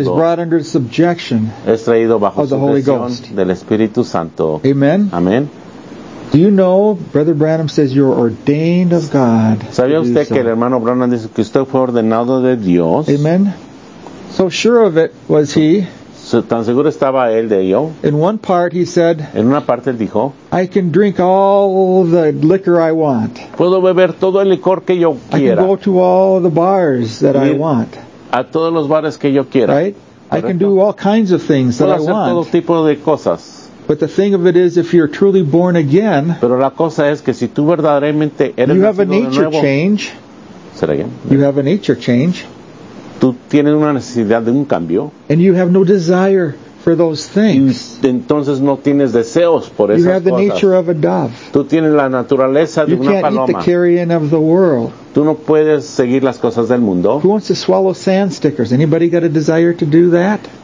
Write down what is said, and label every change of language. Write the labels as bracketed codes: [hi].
[en] is brought under subjection [es] es traído bajo [en] of the Holy Ghost [es] del Espíritu Santo. [en] Amen. [es] Amén. [en] Do you know, Brother Branham says you're ordained of God. [es] ¿Sabía usted que el hermano Branham dice que usted fue ordenado de Dios? [en] Amen. So sure of it was he. [es] ¿Tan seguro estaba él de ello? [en] In one part he said, [es] en una parte él dijo, [en] I can drink all the liquor I want. [es] Puedo beber todo el licor que yo quiera. [en] I can go to all the bars that I want. [es] A todos los bares que yo quiera. [en] Right? I can do all kinds of things that I want. [es] Puedo hacer todo tipo de cosas. [en] But the thing of it is, if you're truly born again, [es] pero la cosa es que si tú verdaderamente eres [en] you have a nature [es] nuevo, [en] change. Say it again. You have a nature change. [es] Tú tienes una necesidad de un cambio. [en] And you have no desire for those things. [es] Y entonces no tienes deseos por esas cosas. [en] You have the [es] cosas. [en] Nature of a dove. [es] Tú tienes la naturaleza [en] you [es] de una paloma. [en] You can't eat the carrion of the world. [es] Tú no puedes seguir las cosas del mundo. [en] Who wants to swallow sand stickers? Anybody got a desire to do that?